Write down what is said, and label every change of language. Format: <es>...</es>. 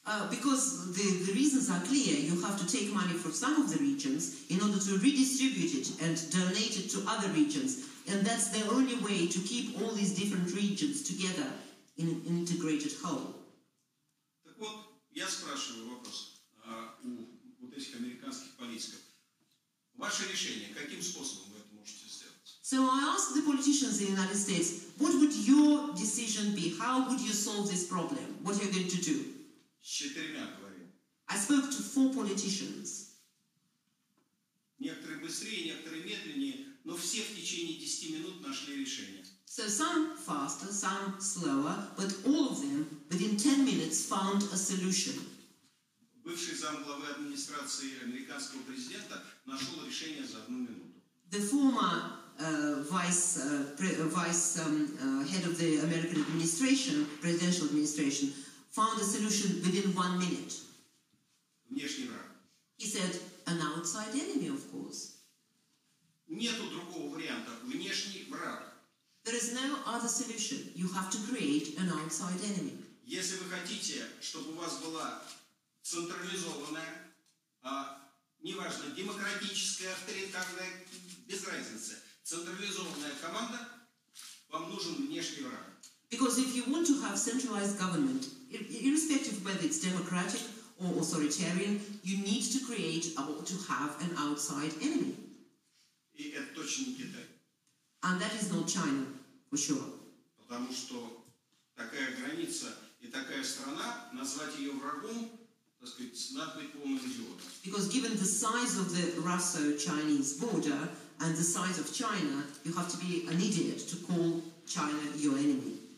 <en>Because the reasons are clear, you have to take money from some of the regions in order to redistribute it and donate it to other regions. And that's the only way to keep all these different regions together in an integrated whole.</en> <ru>Так вот, я спрашиваю вопрос у вот этих американских политиков. Ваше решение, каким способом вы это можете сделать?</ru> <en>So I ask the politicians in the United States, what would your decision be? How would you solve this problem? What are you going to do?</en> <ru>С четырьмя говорил.</ru> <en>I spoke to four politicians.</en> <ru>Некоторые быстрее, некоторые медленнее, но все в течение 10 минут нашли решение.</ru> <en>So some faster, some slower, but all of them within 10 minutes found a solution.</en> <ru>Бывший замглавы администрации американского президента нашел решение за одну минуту.</ru> <en>The former head of the American administration, presidential administration, found a solution within 1 minute.</en> <ru>Внешний враг.</ru> <en>He said, an outside enemy, of course.</en> <ru>Нету другого варианта. Внешний враг.</ru> <en>There is no other solution. You have to create an outside enemy.</en> <ru>Если вы хотите, чтобы у вас была централизованная, неважно, демократическая, авторитарная, без разницы, централизованная команда, вам нужен внешний враг.</ru> <en>Because if you want to have centralized government, irrespective of whether it's democratic or authoritarian, you need to create or to have an outside enemy.</en> <ru>И это точно не Китай.</ru> <en>And that is not China, for sure.</en> <ru>Потому что такая граница и такая страна, назвать ее врагом, так сказать, надо быть полным идиотом.</ru> <en>Because given the size of the Russo-Chinese border and the size of China, you have to be an idiot to call China your enemy.</en>